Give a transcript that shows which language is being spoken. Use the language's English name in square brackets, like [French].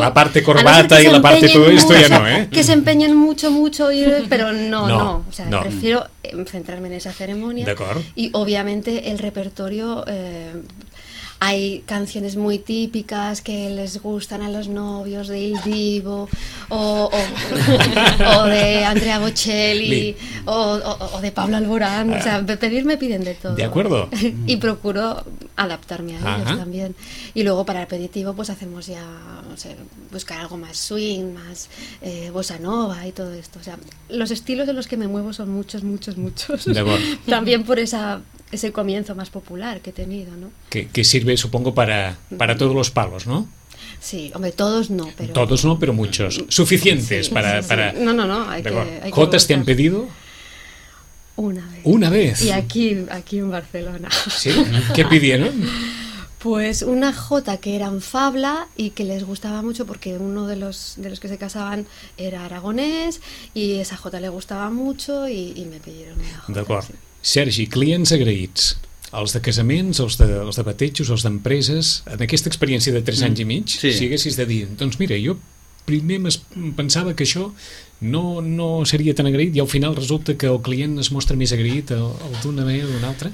[Spanish] La parte corbata i la parte todo esto ya no, ¿eh? Que se empeñen mucho, mucho, pero no. O sea, no. Prefiero centrar-me en esa cerimònia. [Catalan] D'acord. [Spanish] Y obviamente el repertorio... hay canciones muy típicas que les gustan a los novios de Il Divo o de Andrea Bocelli o de Pablo Alborán. O sea, pedirme piden de todo. De acuerdo. Y procuro adaptarme a ellos. Ajá. También. Y luego para el aperitivo pues hacemos ya, no sé, buscar algo más swing, más bossa nova y todo esto. O sea, los estilos en los que me muevo son muchos, muchos, muchos. De acuerdo. También por esa... Es el comienzo más popular que he tenido, ¿no? Que sirve, supongo, para todos los palos, ¿no? Sí, hombre, todos no, pero... Todos no, pero muchos. Suficientes, sí, para... Sí, sí. Para... No, hay que... ¿Jotas te han pedido? Una vez. Y aquí en Barcelona. ¿Sí? ¿Qué pidieron? Pues una jota que era en fabla y que les gustaba mucho porque uno de los que se casaban era aragonés y esa jota le gustaba mucho y me pidieron una jota. [Catalan] D'acord. Sí. Sergi, clients agraïts, els de casaments, els de bateigos, els d'empreses, en aquesta experiència de 3 anys i mig, sí. Si haguessis de dir, doncs mira, jo primer pensava que això no seria tan agraït i al final resulta que el client es mostra més agraït al d'una manera o d'una altra.